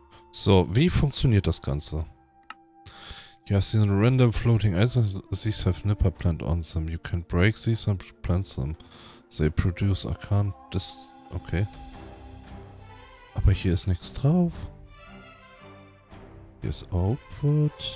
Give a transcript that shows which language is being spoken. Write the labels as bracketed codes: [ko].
[de] So, wie funktioniert das Ganze? [en] You have seen a random floating item. These have nipper plant on them. You can break these and plant them. They produce arcane. This. Okay. [de] Aber hier ist nichts drauf. Hier ist Output.